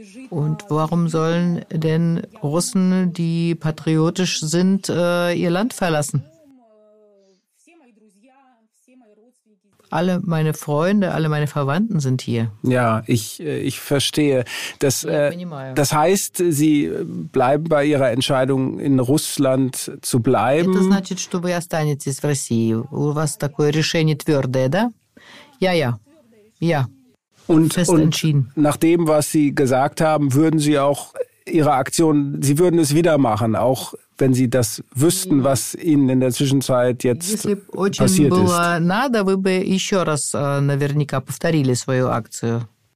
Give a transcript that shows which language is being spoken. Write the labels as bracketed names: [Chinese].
[German] Und warum sollen denn Russen, die patriotisch sind, ihr Land verlassen? Alle meine Freunde, alle meine Verwandten sind hier. Ja, ich verstehe. Das heißt, Sie bleiben bei Ihrer Entscheidung, in Russland zu bleiben? [Russian] Это значит, что вы останетесь в России. У вас такое решение твердое, да? [German] Ja, ja. Ja. Fest entschieden. Und nach dem, was Sie gesagt haben, würden Sie auch Ihre Aktion, Sie würden es wieder machen, auch wenn Sie das wüssten, was Ihnen in der Zwischenzeit jetzt passiert ist. [Russian] Надо, вы бы еще раз наверняка повторили свою акцию.